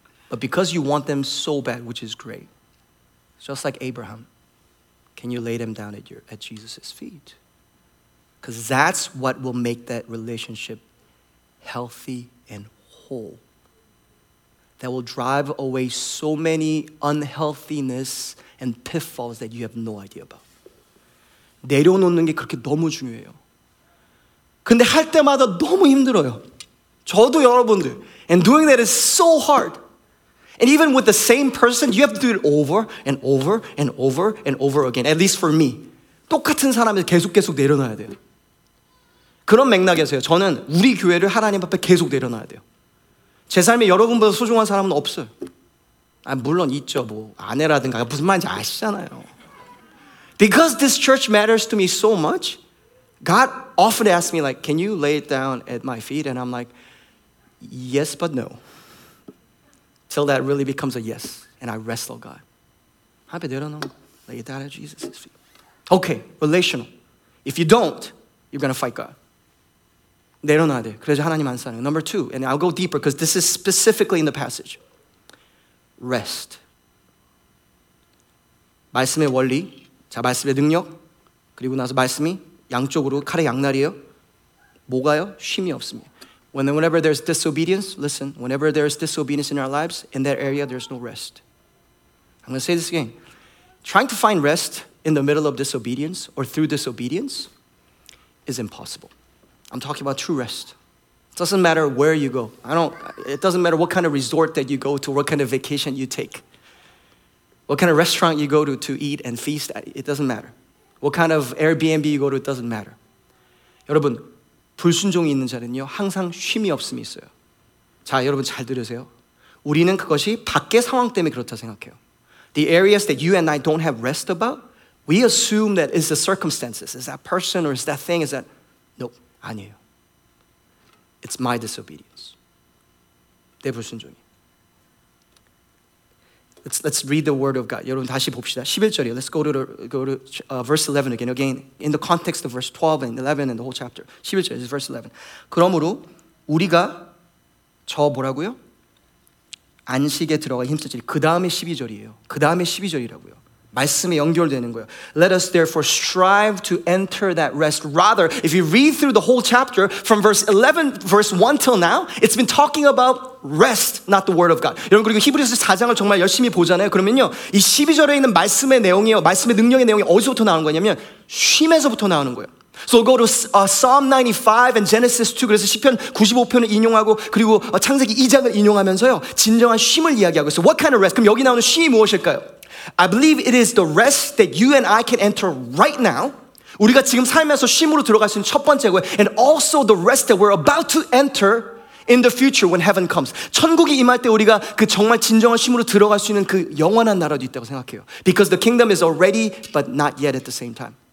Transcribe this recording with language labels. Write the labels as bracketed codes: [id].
[en] But because you want them so bad, which is great, just like Abraham, can you lay them down at Jesus' feet? Because that's what will make that relationship healthy and whole. That will drive away so many unhealthiness and pitfalls that you have no idea about. [ko] 내려놓는 게 그렇게 너무 중요해요. 근데 할 때마다 너무 힘들어요. 저도 여러분들. [en] And doing that is so hard. And even with the same person, you have to do it over and over and over and over again. At least for me. [ko] 똑같은 사람에서 계속 내려놔야 돼요. 그런 맥락에서요. 저는 우리 교회를 하나님 앞에 계속 내려놔야 돼요. 제 삶에 여러분보다 소중한 사람은 없어요. 아, 물론 있죠. 뭐 아내라든가 무슨 말인지 아시잖아요. [en] Because this church matters to me so much, God often asks me, like, can you lay it down at my feet? And I'm like, yes, but no. Till that really becomes a yes. And I wrestle God. I don't know. Lay it down at Jesus' feet. Okay, relational. If you don't, you're going to fight God. [ko] 내려놔야 돼. 그래서 하나님 안 사는. [en] Number two, and I'll go deeper because this is specifically in the passage. Rest. [ko] 말씀의 원리. 자, 말씀의 능력, 그리고 나서 말씀이 양쪽으로 칼의 양날이에요. 뭐가요? 쉼이 없습니다. [en] Whenever there's disobedience, listen, whenever there's disobedience in our lives, in that area, there's no rest. I'm going to say this again. Trying to find rest in the middle of disobedience or through disobedience is impossible. I'm talking about true rest. It doesn't matter where you go. It doesn't matter what kind of resort that you go to, what kind of vacation you take. What kind of restaurant you go to eat and feast at, it doesn't matter. What kind of Airbnb you go to, it doesn't matter. [ko] 여러분, 불순종이 있는 자는요, 항상 쉼이 없음이 있어요. 자, 여러분 잘 들으세요. 우리는 그것이 밖의 상황 때문에 그렇다 생각해요. [en] The areas that you and I don't have rest about, we assume that it's the circumstances. Is that person or is that thing? Is that, [ko] nope, 아니에요. [en] It's my disobedience. [ko] 내 불순종이. [en] Let's read the word of God. [ko] 여러분 다시 봅시다. 11절이요. [en] Let's go to verse 11 again. Again, in the context of verse 12 and 11 and the whole chapter. 11절 is verse 11. [ko] 그러므로 우리가 저 뭐라고요? 안식에 들어가 힘쓰지. 그 다음에 12절이에요. 그 다음에 12절이라고요. 말씀에 연결되는 거예요. [en] Let us therefore strive to enter that rest. Rather, if you read through the whole chapter from verse 11, verse 1 till now, it's been talking about rest, not the word of God. [ko] 여러분, 그리고 히브리서 4장을 정말 열심히 보잖아요. 그러면요, 이 12절에 있는 말씀의 내용이요, 말씀의 능력의 내용이 어디서부터 나오는 거냐면 쉼에서부터 나오는 거예요. [en] So go to Psalm 95 and Genesis 2. [ko] 그래서 시편 95편을 인용하고 그리고 창세기 2장을 인용하면서요, 진정한 쉼을 이야기하고 있어요. [en] What kind of rest? [ko] 그럼 여기 나오는 쉼이 무엇일까요? [en] I believe it is the rest that you and I can enter right now [ko] 우리가 지금 살면서 쉼으로 들어갈 수 있는 첫 번째 거예요. [en] And also the rest that we're about to enter in the future when heaven comes. [ko] 천국이 임할 때 우리가 그 정말 진정한 쉼으로 들어갈 수 있는 그 영원한 나라도 있다고 생각해요. [en] Because the kingdom is already but not yet at the same time.